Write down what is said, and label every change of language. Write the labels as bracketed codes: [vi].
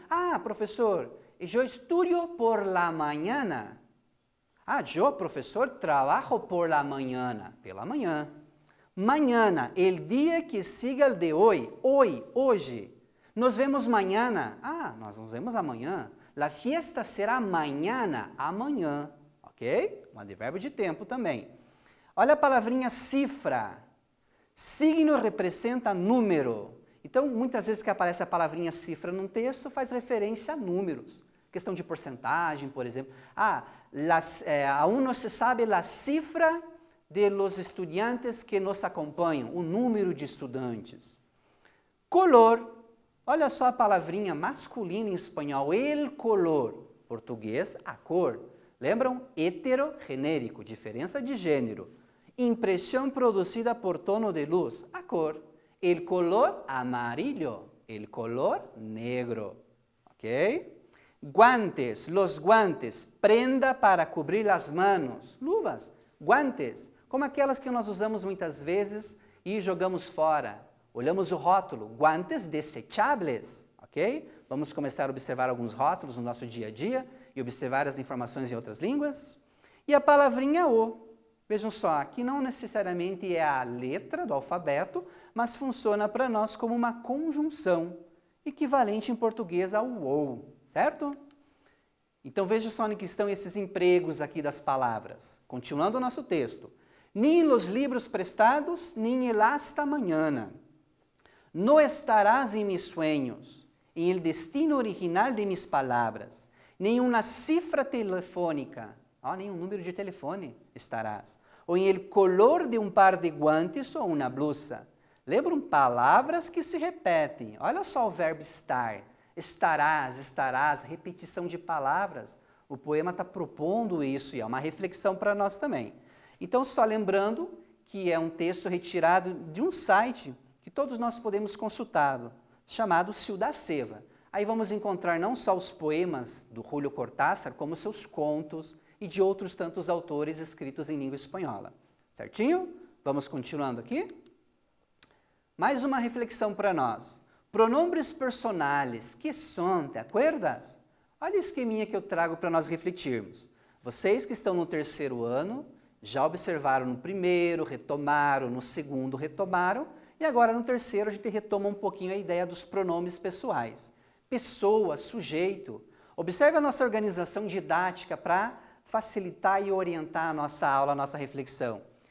[es] Ah, professor, yo estudio por la mañana. Ah, yo, professor, trabajo por la mañana, [pt] pela manhã. [es] Mañana, el día que siga el de hoy, hoy, [pt] hoje. [es] Nos vemos mañana. [pt] Ah, nós nos vemos amanhã. [es] La fiesta será mañana, amanhã. Ok? [pt] Um advérbio de tempo também. Olha a palavrinha cifra. Signo representa número. Então, muitas vezes que aparece a palavrinha cifra num texto, faz referência a números. Questão de porcentagem, por exemplo. [es] Ah, aún no se sabe la cifra de los estudiantes que nos acompanham. [pt] O número de estudantes. Color. Olha só a palavrinha masculina em espanhol, el color, português, a cor. Lembram? Heterogenérico, diferença de gênero. Impressão produzida por tono de luz, a cor. [es] El color amarillo, el color negro, ok? Guantes, los guantes, prenda para cobrir as manos. [pt] Luvas, guantes, como aquelas que nós usamos muitas vezes e jogamos fora. Olhamos o rótulo, guantes desechables, ok? Vamos começar a observar alguns rótulos no nosso dia a dia e observar as informações em outras línguas. E a palavrinha O, vejam só, aqui não necessariamente é a letra do alfabeto, mas funciona para nós como uma conjunção, equivalente em português ao OU, certo? Então vejam só em que estão esses empregos aqui das palavras. Continuando o nosso texto. [es] Nem los libros prestados, nem el hasta mañana. No estarás em mis sueños, em el destino original de mis palabras. [pt] Nenhuma cifra telefônica, oh, nenhum número de telefone estarás. Ou em el color de um par de guantes ou una blusa. Lembram? Palavras que se repetem. Olha só o verbo estar. Estarás, estarás, repetição de palavras. O poema está propondo isso e é uma reflexão para nós também. Então, só lembrando que é um texto retirado de um site que todos nós podemos consultá-lo, chamado Ciudad Seva. Aí vamos encontrar não só os poemas do Julio Cortázar, como seus contos e de outros tantos autores escritos em língua espanhola. Certinho? Vamos continuando aqui? Mais uma reflexão para nós. [es] Pronombres personales, que son, te acuerdas? [pt] Olha o esqueminha que eu trago para nós refletirmos. Vocês que estão no terceiro ano, já observaram no primeiro, retomaram, no segundo, retomaram, e agora, no terceiro, a gente retoma um pouquinho a ideia dos pronomes pessoais. Pessoa, sujeito. Observe a nossa organização didática para facilitar e orientar a nossa aula, a nossa reflexão.